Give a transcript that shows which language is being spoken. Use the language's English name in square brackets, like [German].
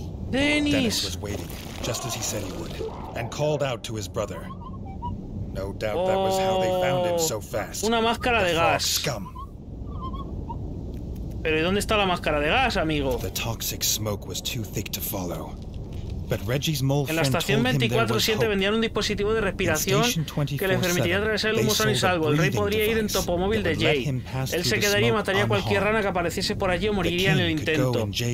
[English] Dennis was waiting, just as he said he would, and called out to his brother. No doubt that was how they found him so fast. [Spanish] Una máscara de gas. Pero ¿y dónde está la máscara de gas, amigo? [English] The toxic smoke was too thick to follow. But Reggie's mole [Spanish] en la estación 24-7 vendían un dispositivo de respiración que les permitiría atravesar el humo sano y salvo. El rey podría ir en topomóvil de Jay. Él se quedaría y mataría a cualquier rana que apareciese por allí o moriría en el intento.